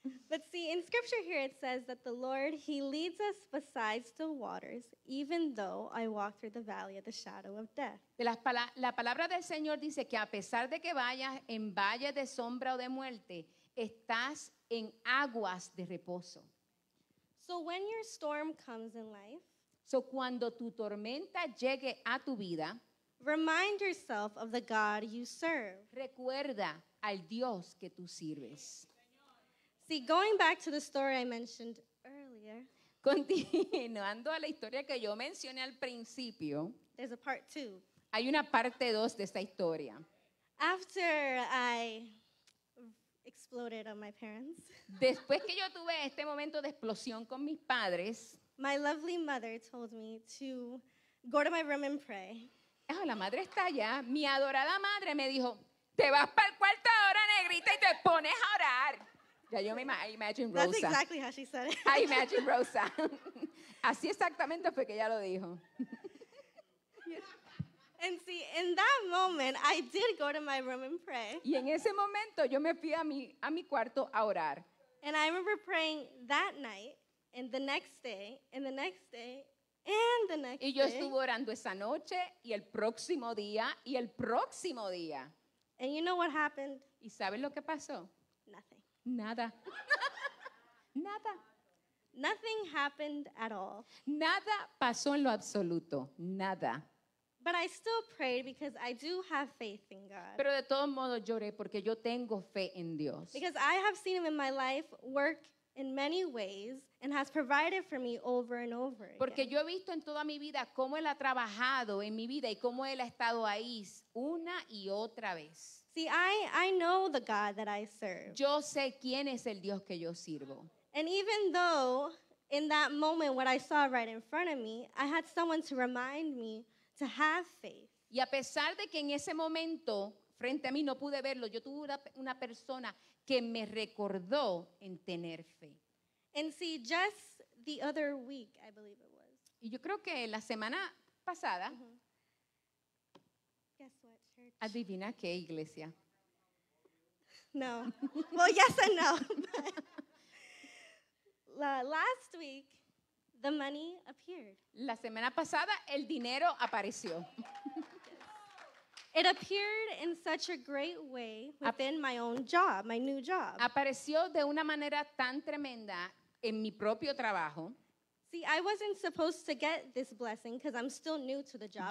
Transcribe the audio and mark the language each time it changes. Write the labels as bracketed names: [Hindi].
[English] But see, in scripture here it says that the Lord, he leads us beside still waters, even though I walk through the valley of the shadow of death. [Spanish] La palabra del Señor dice que a pesar de que vayas en valle de sombra o de muerte, estás en aguas de reposo. [English] So when your storm comes in life, [Spanish] so cuando tu tormenta llegue a tu vida, [English] remind yourself of the God you serve. [Spanish] Recuerda al Dios que tú sirves. [English] See, going back to the story I mentioned earlier. [Spanish] Continuando a la historia que yo mencioné al principio. [English] There's a part two. [Spanish] Hay una parte dos de esta historia. [English] After I exploded on my parents. [Spanish] Después que yo tuve este momento de explosión con mis padres. [English] My lovely mother told me to go to my room and pray. [Spanish] Oh, la madre está allá. Mi adorada madre me dijo, te vas para el cuarto ahora, negrita, y te pones a orar. Ya yo me imagino Rosa. [English] That's exactly how she said it. I imagine Rosa. [Spanish] Así exactamente fue que ella lo dijo. [English] And see, in that moment, I did go to my room and pray. [Spanish] Y en ese momento, yo me fui a mi cuarto a orar. [English] And I remember praying that night. And the next day, and the next day, and the next day. [Spanish] Y yo estuve orando esa noche, y el próximo día, y el próximo día. [English] And you know what happened? [Spanish] ¿Y sabes lo que pasó? [English] Nothing. [Spanish] Nada. Nada. [English] Nothing happened at all. [Spanish] Nada pasó en lo absoluto. Nada. [English] But I still prayed because I do have faith in God. [Spanish] Pero de todos modos lloré porque yo tengo fe en Dios. [English] Because I have seen him in my life work in many ways, and has provided for me over and over again. [Spanish] Porque yo he visto en toda mi vida cómo él ha trabajado en mi vida y cómo él ha estado ahí una y otra vez. [English] See, I know the God that I serve. [Spanish] Yo sé quién es el Dios que yo sirvo. [English] And even though in that moment what I saw right in front of me, I had someone to remind me to have faith. [Spanish] Y a pesar de que en ese momento frente a mí no pude verlo, yo tuve una persona que me recordó en tener fe. [English] And see, just the other week, I believe it was. [Spanish] Y yo creo que la semana pasada. [English] Mm-hmm. Guess what, church? [Spanish] Adivina qué iglesia. [English] No. Well, yes and no. Last week, the money appeared. [Spanish] La semana pasada, el dinero apareció. [English] It appeared in such a great way within my own job, my new job. [Spanish] Apareció de una manera tan tremenda en mi propio trabajo. [English] See, I wasn't supposed to get this blessing because I'm still new to the job.